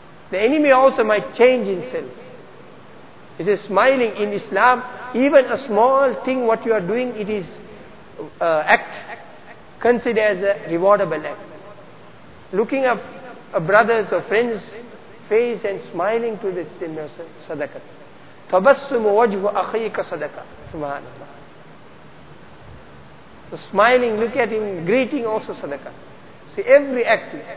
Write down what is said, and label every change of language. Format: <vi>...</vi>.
<en>The enemy also might change himself. It is smiling in Islam. Even a small thing what you are doing, it is act considered as a rewardable act. Looking up a brother's or friend's face and smiling to this thing, sadaqah.</en> <ar>تَبَسُّمُ وَجْهُ أَخِيكَ صَدَقَةً Subhanallah.</ar> <en>So smiling, look at him, greeting also sadaqah. See, every act.</en>